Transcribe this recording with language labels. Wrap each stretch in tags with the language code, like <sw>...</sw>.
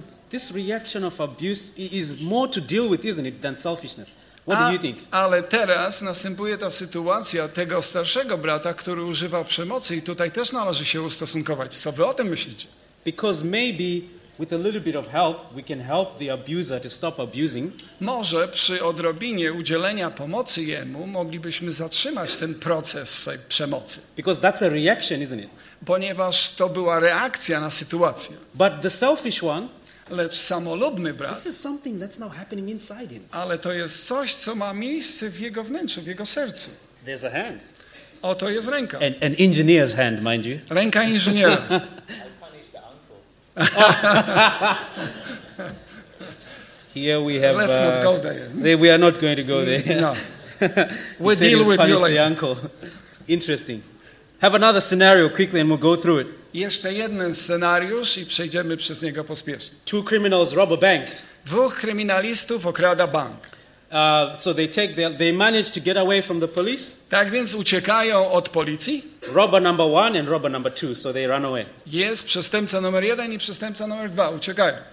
<en>This reaction of abuse is more to deal with, isn't it, than selfishness? What do you think?</en> <pl>Ale teraz następuje ta sytuacja tego starszego brata, który używał przemocy i tutaj też należy się ustosunkować. Co wy o tym myślicie?</pl> <en>Because maybe with a little bit of help, we can help the abuser to stop abusing.</en> <pl>Może przy odrobinie udzielenia pomocy jemu moglibyśmy zatrzymać ten proces przemocy.</pl> <en>Because that's a reaction, isn't it?</en> <pl>Ponieważ to była reakcja na sytuację.</pl> <en>But the selfish one,</en> <pl>lecz samolubny brat,</pl> <en>this is something that's now happening inside him.</en> <pl>Ale to jest coś, co ma miejsce w jego wnętrzu, w jego sercu.</pl> <en>There's a hand.</en> <pl>Oto jest ręka.</pl> <en>An engineer's hand, mind you.</en> <pl>Ręka inżyniera.</pl> <en>I punished the uncle. Here we have. Let's not go there. We are not going to go there. No. We deal with you like the uncle. Interesting. Have another scenario quickly, and we'll go through it.</en> <pl>Jeszcze jeden scenariusz i przejdziemy przez niego pospiesznie.</pl> <en>Two criminals rob a bank.</en> <pl>Dwóch kryminalistów okrada bank.</pl> <en>So they manage to get away from the police.</en> <pl>Tak więc uciekają od policji.</pl> <en>Robber number one and robber number two, so they run away.</en> <pl>Jest przestępca numer jeden i przestępca numer dwa, uciekają.</pl>